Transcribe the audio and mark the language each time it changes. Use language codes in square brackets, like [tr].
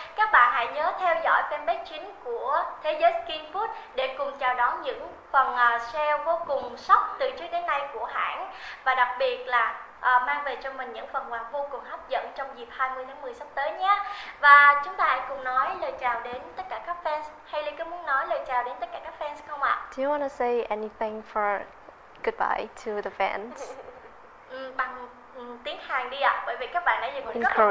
[vi] Các bạn hãy nhớ theo dõi fanpage chính của Thế Giới Skin Food để cùng chào đón những phần sale vô cùng sốc từ trước đến nay của hãng. Và đặc biệt là mang về cho mình những phần quà vô cùng hấp dẫn trong dịp 20 tháng 10 sắp tới nhé. Và chúng ta hãy cùng nói lời chào đến tất cả các fans. Hailey có muốn nói lời chào đến tất cả các fans không ạ? [en] Do you want to say anything for goodbye to the fans? [vi] Bằng tiếng Hàn đi ạ, bởi vì các bạn đã dừng một câu nói